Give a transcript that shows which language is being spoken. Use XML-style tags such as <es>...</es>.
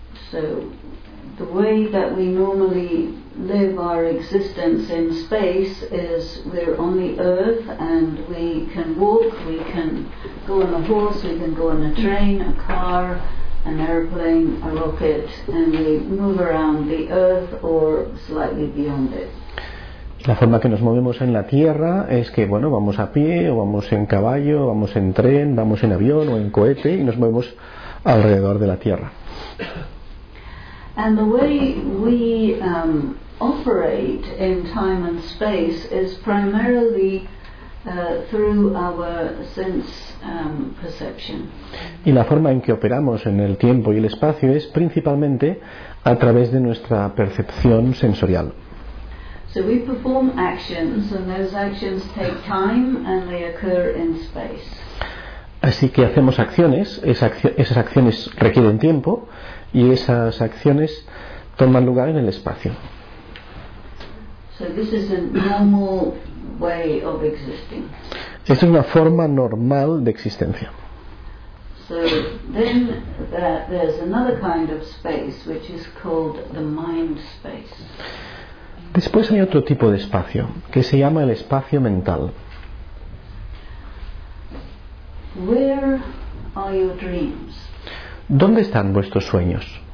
<en>So, the way that we normally live our existence in space is we're on the earth and we can walk, we can go on a horse, we can go on a train, a car, an airplane, a rocket, and we move around the earth or slightly beyond it.</en> <es>La forma que nos movemos en la Tierra es que, bueno, vamos a pie, o vamos en caballo, o vamos en tren, vamos en avión o en cohete y nos movemos alrededor de la Tierra.</es> <en>And the way we operate in time and space is primarily through our sense perception.</en> <es>Y la forma en que operamos en el tiempo y el espacio es principalmente a través de nuestra percepción sensorial.</es> <en>So we perform actions, and those actions take time, and they occur in space.</en> <es>Así que hacemos acciones, esas acciones requieren tiempo, y esas acciones toman lugar en el espacio.</es> <en>So this is a normal way of existing.</en> <es>Esta es una forma normal de existencia.</es> <en>So then there's another kind of space, which is called the mind space.</en> <es>Después hay otro tipo de espacio que se llama el espacio mental.</es> <en>Where are your dreams?</en> <es>¿Dónde están vuestros sueños?</es>